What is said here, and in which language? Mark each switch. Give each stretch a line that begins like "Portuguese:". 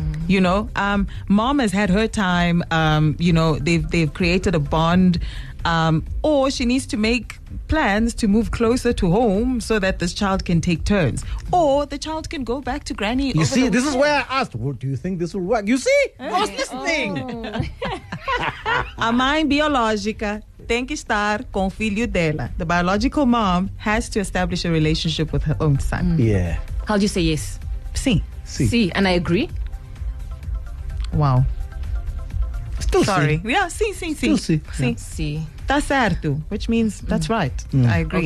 English: you know, mom has had her time. You know, they've created a bond, or she needs to make plans to move closer to home so that this child can take turns, or the child can go back to granny. You see, this is where I asked, well, do you think this will work? You see, okay. What's this thing?
Portuguese: A mãe biológica tem que estar com o filho dela.
English: The biological mom has to establish a relationship with her own son. Yeah. How do you say yes?
Portuguese: Sim. Sim. Sim.
English: And I agree. Wow. Still sorry.
Portuguese: Sim. Yeah, sim, sim, sim.
English: Still sim. Yeah. Sim.
Portuguese: Tá certo.
English: Which means that's right. Mm. I agree.